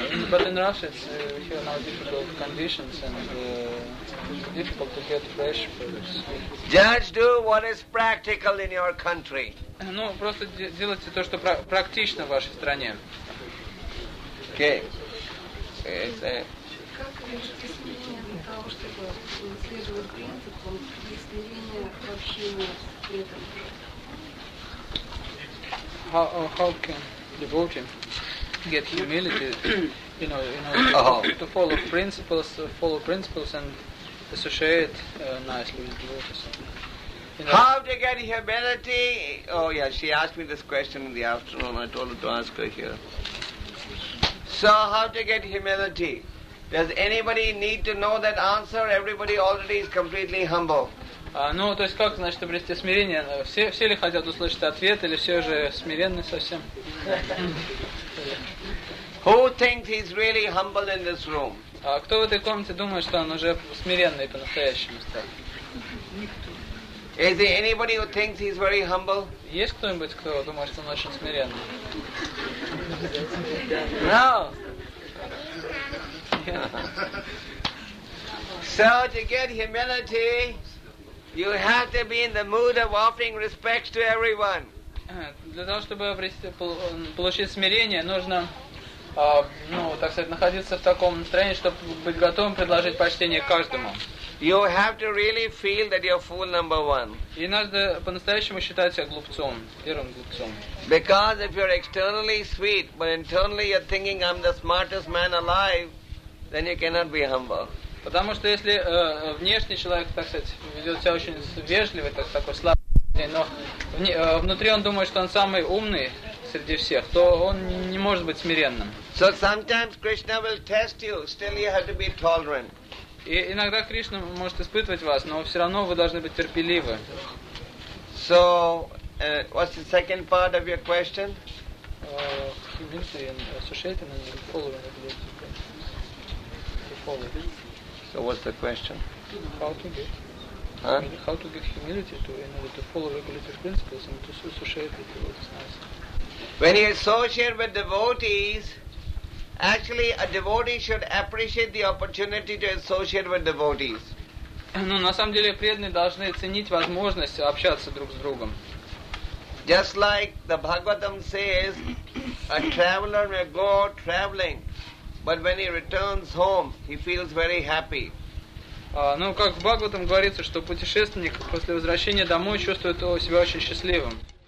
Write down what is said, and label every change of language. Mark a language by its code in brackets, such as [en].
[en] But in Russia, it's here now difficult conditions and difficult to get fresh produce. Just do what is practical in your country. [ru] Ну, просто делайте то, что практично в вашей стране. Окей. Как решить смирение для того, чтобы следовать принципам, и смирения вообще нет в этом? [en] How can devotee get humility, to follow principles, and associate nicely with devotees? How to get humility? Oh yeah, she asked me this question in the afternoon. I told her to ask her here. So how to get humility? Does anybody need to know that answer? Everybody already is completely humble. [ru] То есть как, значит, обрести смирение? Все ли хотят услышать ответ, или все же смиренны совсем? [en] Who thinks he's really humble in this room? [ru] А кто в этой комнате думает, что он уже смиренный по-настоящему стал? Никто. [en] Is there anybody who thinks he's very humble? [ru] Есть кто-нибудь, кто думает, что он очень смиренный? [en] No. So to get humility, you have to be in the mood of offering respects to everyone. [ru] Для того, чтобы получить смирение, нужно, так сказать, находиться в таком настроении, чтобы быть готовым предложить почтение каждому. [en] You have to really feel that you're fool number one. [ru] И надо по-настоящему считать себя глупцом, первым глупцом. [en] Because if you're externally sweet, but internally you're thinking I'm the smartest man alive, then you cannot be humble. [ru] Потому что если внешний человек, так сказать, ведет себя очень вежливый, такой слабый, но внутри он думает, что он самый умный среди всех, то он не может быть смиренным. [en] So sometimes Krishna will test you, still you have to be tolerant. [ru] И иногда Кришна может испытывать вас, но все равно вы должны быть терпеливы. [en] So, what's the second part of your question? Humility and associating and following the beliefs. So what's the question? How to get humility to follow regulative principles and to associate with devotees. When you associate with devotees, actually a devotee should appreciate the opportunity to associate with devotees. [ru] Ну, на самом деле преданные должны ценить возможность общаться друг с другом. [en] Just like the Bhagavatam says, a traveler may go traveling. But when he returns home, he feels very happy. [ru] Как в Бхагаватам говорится, что путешественник после возвращения домой чувствует себя очень счастливым.